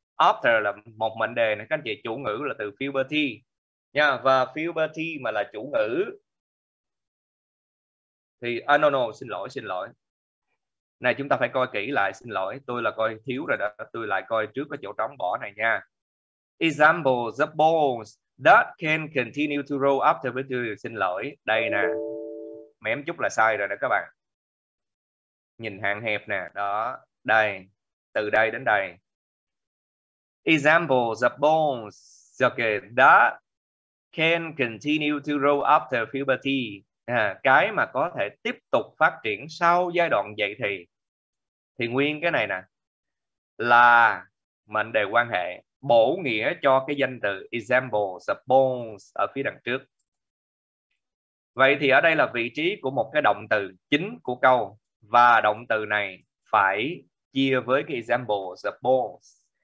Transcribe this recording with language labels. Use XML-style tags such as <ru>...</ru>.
<vi>After là một mệnh đề này các anh chị, chủ ngữ là từ puberty nha, và puberty mà là chủ ngữ thì no, xin lỗi xin lỗi này, chúng ta phải coi kỹ lại, xin lỗi tôi là coi thiếu rồi đó, tôi lại coi trước cái chỗ trống bỏ này nha.</vi> <en>Example, the balls that can continue to roll after puberty,</en> <vi>xin lỗi đây nè, mém chút là sai rồi đó các bạn, nhìn hạn hẹp nè đó, đây từ đây đến đây.</vi> <en>Example, the bones that can continue to grow after puberty.</en> <vi>À, cái mà có thể tiếp tục phát triển sau giai đoạn dậy thì. Thì nguyên cái này nè là mệnh đề quan hệ bổ nghĩa cho cái danh từ example, the bones ở phía đằng trước. Vậy thì ở đây là vị trí của một cái động từ chính của câu, và động từ này phải chia với cái example, the bones.</vi>